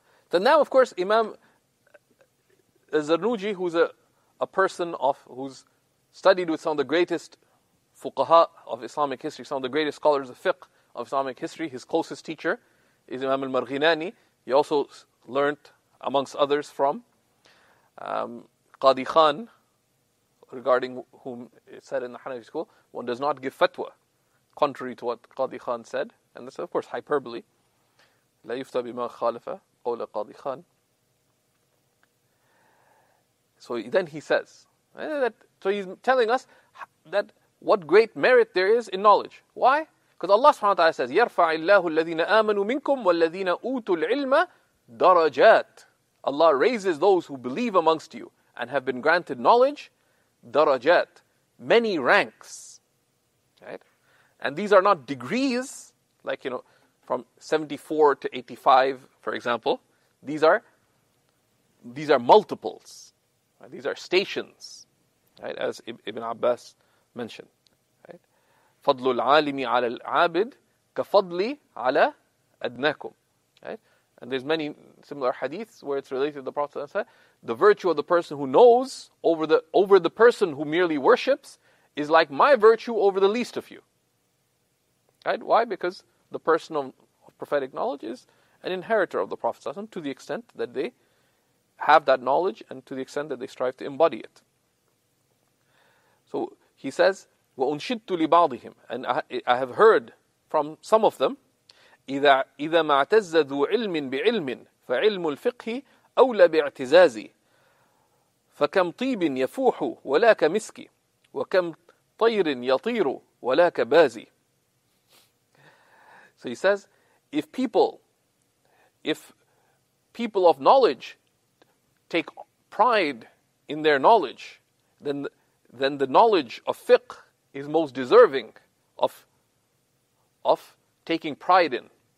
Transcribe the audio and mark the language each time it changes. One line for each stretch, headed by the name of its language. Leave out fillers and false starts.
English: Then now, of course, Imam Zarnuji, who's a person of who's studied with some of the greatest fuqaha of Islamic history, some of the greatest scholars of fiqh of Islamic history, his closest teacher is Imam al-Marghinani. He also learnt, amongst others, from Qadi Khan, regarding whom it said in the Hanafi school, one does not give fatwa contrary to what Qadi Khan said. And that's, of course, hyperbole. لا يفتى بما خالف قول قاضي خان. So then he says, so he's telling us that what great merit there is in knowledge. Why? Because Allah subhanahu wa ta'ala says,
Arabic: يرفع الله الذين آمنوا منكم والذين أوتوا العلم درجات.
English: Allah raises those who believe amongst you and have been granted knowledge, درجات, many ranks. Right? And these are not degrees, like, you know, from 74 to 85, for example. These are multiples. Right? These are stations, right? As Ibn Abbas mentioned. Right?
Arabic: فَضْلُ الْعَالِمِ عَلَى الْعَابِدِ كَفَضْلِ عَلَى أَدْنَاكُمْ.
English: Right? And there's many similar hadiths where it's related to the Prophet ﷺ. The virtue of the person who knows over the person who merely worships is like my virtue over the least of you. Right? Why? Because the person of prophetic knowledge is an inheritor of the Prophet ﷺ to the extent that they have that knowledge and to the extent that they strive to embody it. So he says,
Arabic: وَأُنْشِدْتُ لِبَعْضِهِمْ,
English: and I have heard from some of them,
Arabic: إِذَا مَعْتَزَّ ذُو عِلْمٍ بِعِلْمٍ فَعِلْمُ الْفِقْهِ أَوْلَى بِاعْتِزَازِ فَكَمْ طِيبٍ يَفُوحُ وَلَاكَ مِسْكِ وَكَمْ طَيْرٍ يَطِيرُ وَلَاكَ بَازِ.
English: So he says, if people of knowledge take pride in their knowledge, then the knowledge of fiqh is most deserving of taking pride in.